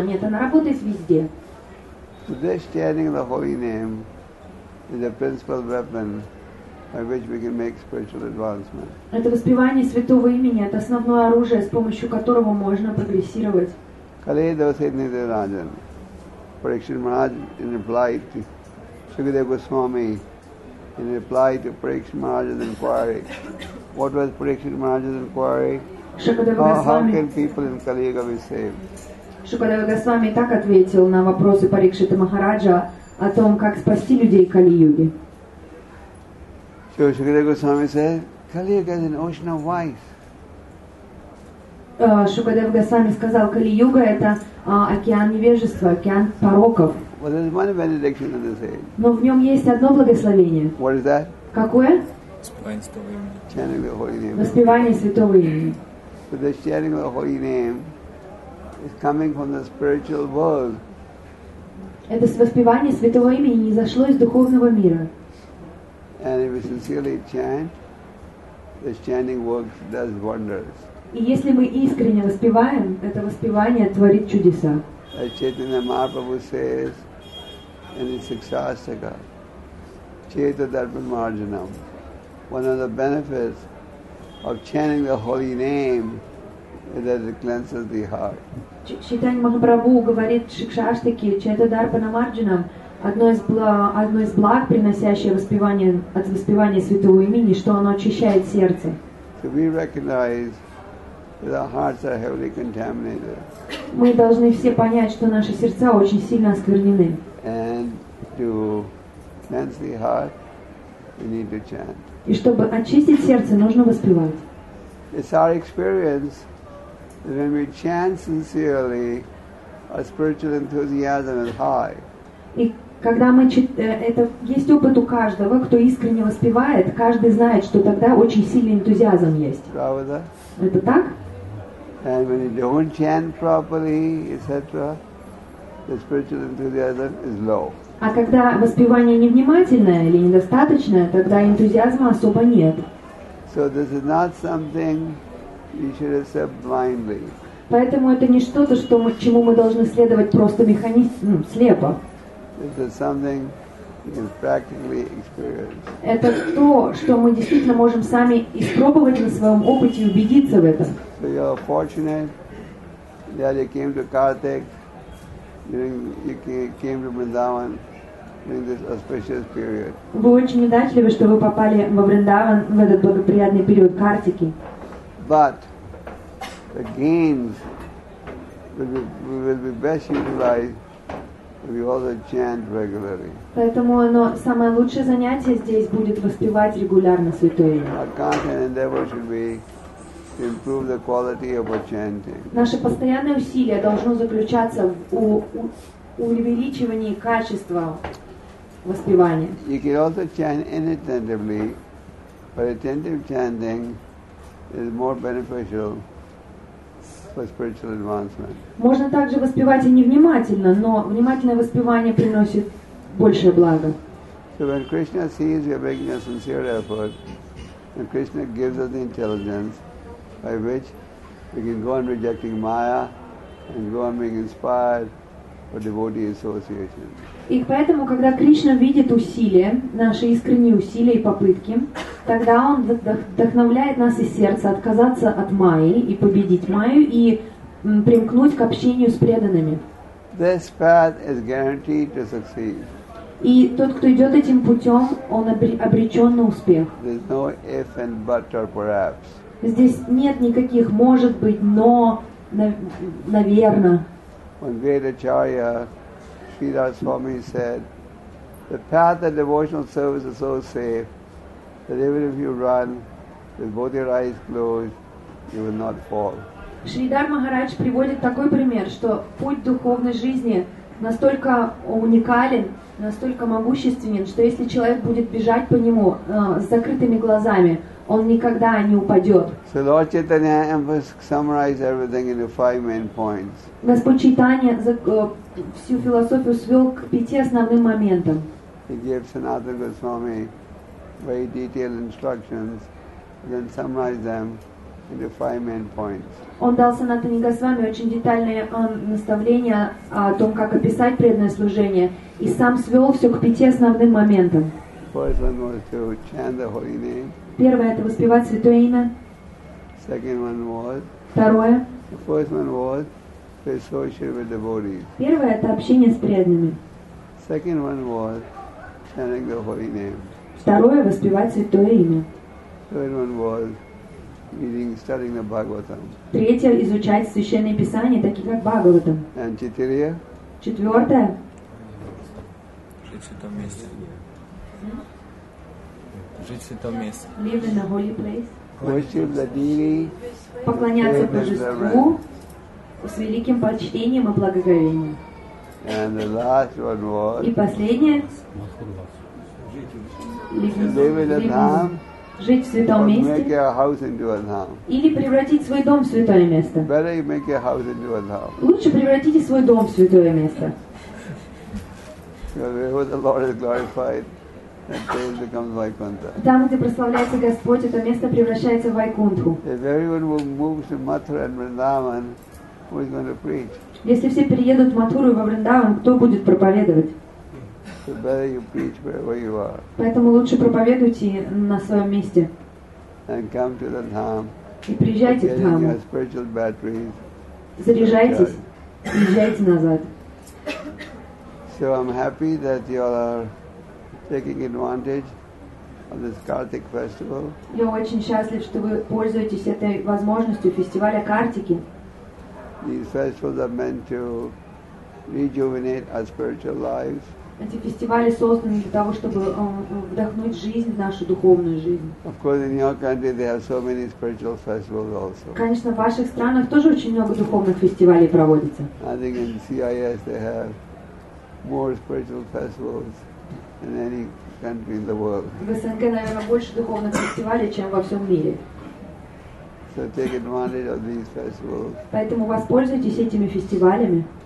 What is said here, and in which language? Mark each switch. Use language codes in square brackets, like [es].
[ru] Нет, она работает везде. [en] This chanting the holy name is a principal weapon by which we can make spiritual advancement. [ru] Это воспевание святого имени — это основное оружие, с помощью которого можно прогрессировать. [en] Kale Dosai Nidharajan, Parikshit Maharaj, in reply to Shukadeva Goswami, in reply to Parikshit Maharaj's inquiry. What was Parikshit Maharaj's inquiry? How can people in Kali Yuga be saved? [ru] Шукадева Госвами так ответил на вопросы Парикшиты Махараджа о том, как спасти людей Кали-Юги. [en] Шукадева Госвами said, Kali-Yuga is an ocean of vice. [ru] Шукадева Госвами сказал, Кали-Юга — это океан невежества, океан пороков. [en] Well, there's one benediction in this age. [ru] Но в нем есть одно благословение. [en] What is that? [ru] Какое? [en] Chanting the holy name. [ru] Воспевание святого имени. [en] So the chanting of the holy name is coming from the spiritual world. [ru] Это воспевание святого имени не зашло из духовного мира. [en] And if we sincerely chant, the chanting works, does wonders. [ru] И если мы искренне воспеваем, это воспевание творит чудеса. [en] As Chaitanya Mahaprabhu says in his Shikshastaka, Cheta Darpan Marjanam. One of the benefits of chanting the holy name is that it cleanses the heart. [ru] Чайтанья Махапрабху говорит в Шикшаштике, Чайта Дарпана Марджинам, одно из благ, приносящее воспевание, от воспевания святого имени, что оно очищает сердце. [en] So we recognize that our hearts are heavily contaminated. [ru] Мы должны все понять, что наши сердца очень сильно осквернены. [en] And to cleanse the heart, we need to chant. [ru] И чтобы очистить сердце, нужно воспевать. [en] It's our experience that when we chant sincerely, our spiritual enthusiasm is high. [ru] И когда мы это есть опыт у каждого, кто искренне воспевает, каждый знает, что тогда очень сильный энтузиазм есть. Правда? Это так? [en] And when you don't chant properly, etc., the spiritual enthusiasm is low. [ru] А когда воспевание невнимательное или недостаточное, тогда энтузиазма особо нет. [en] So this is not something you should accept blindly. [ru] Поэтому это не что-то, чему мы должны следовать просто механически, слепо. [en] This is something you can practically experience. [ru] Это то, что мы действительно можем сами испробовать на своем опыте и убедиться в этом. [en] So you're fortunate that you came to Kartik. You came to Vrindavan during this auspicious period. [ru] Вы очень удачливы, что вы попали во Вриндаван в этот благоприятный период Картики. [en] But the gains will be best utilized if we also chant regularly. [ru] Поэтому самое лучшее занятие здесь будет воспевать регулярно святое имя. [en] Our constant endeavor should be improve the quality of our chanting. [ru] Наше постоянное усилие должно заключаться в увеличивании качества воспевания. [en] You can also chant inattentively, but attentive chanting is more beneficial for spiritual advancement. [ru] Можно также воспевать и невнимательно, но внимательное воспевание приносит большее благо. [en] So when Krishna sees we are making a sincere effort, and Krishna gives us the intelligence by which we can go on rejecting Maya and go on being inspired for devotee association. [ru] И поэтому, когда Кришна видит усилия, наши искренние усилия и попытки, тогда он вдохновляет нас из сердца отказаться от Майи и победить Майю и примкнуть к общению с преданными. [en] This path is guaranteed to succeed. [ru] И тот, кто идет этим путем, он обречен на успех. [en] There's no if and but or perhaps. [ru] Здесь нет никаких «может быть», «но», «наверное». [en] One great acharya, Sridhar Swami, said, the path of devotional service is so safe that even if you run with both your eyes closed, you will not fall. [ru] Шридхар Махарадж приводит такой пример, что путь духовной жизни настолько уникален, настолько могущественен, что если человек будет бежать по нему с закрытыми глазами, он никогда не упадет. [en] So Lord Chaitanya summarized everything into five main points. [ru] Господь Чайтанья всю философию свел к пяти основным моментам. [en] He gave Sanatana Goswami very detailed instructions, and then summarized them into 5 main points. [ru] Он дал Санатане Госвами очень детальные наставления о том, как описать преданное служение, и сам свел все к 5 основным моментам. [en] First one was to chant the holy name. [ru] Первое — это воспевать святое имя. [en] Second one was. [ru] Второе. [en] The first one was to associate with devotees. [ru] Первое — это общение с преданными. [en] Second one was chanting the holy name. [ru] Второе — воспевать святое имя. [en] Third one was reading, studying the Bhagavatam. [ru] Третье — изучать священные писания, такие как Бхагаватам. And четвертое. Четвертое. Жить в святом месте. Жить в святом месте. [en] Live in a holy place. Worship the deity. [ru] Поклоняться божеству с великим почтением и благоговением. [en] And the last one was. [ru] И последнее. [en] Live in a dham. [ru] Жить в святом месте. [en] Make your house into a dham. [ru] Или превратить свой дом в святое место. [en] Better you make your house into a dham. [ru] Лучше превратите свой дом в святое место. [en] Because where the Lord is glorified, that place becomes Vaikuntha. [ru] Там, где прославляется Господь, это место превращается в Вайкунту. [en] If everyone will move to Mathura and Vrindavan, who is going to preach? [ru] Если все приедут в Матхуру и во Вриндаван, кто будет проповедовать? [en] The better you preach wherever you are. [ru] Поэтому лучше проповедуйте на своем месте. [en] And come to the dham. [ru] И приезжайте в [en] dham. Your spiritual batteries. [ru] Заряжайтесь. Приезжайте назад. [en] So I'm happy that you all are taking advantage of this Kartik festival. [ru] Я очень счастлив, что вы пользуетесь этой возможностью фестиваля Картики. [en] These festivals are meant to rejuvenate our spiritual lives. [ru] Эти фестивали созданы для того, чтобы вдохнуть жизнь в нашу духовную жизнь. [en] Of course, in your country there are so many spiritual festivals also. [ru] Конечно, в ваших странах тоже очень много духовных фестивалей проводится. [en] I think in CIS they have more spiritual festivals than any country in the world. [ru] В СНГ, наверное, больше духовных фестивалей, чем во всем мире. [en] So take advantage of these festivals. [ru] Поэтому воспользуйтесь этими фестивалями.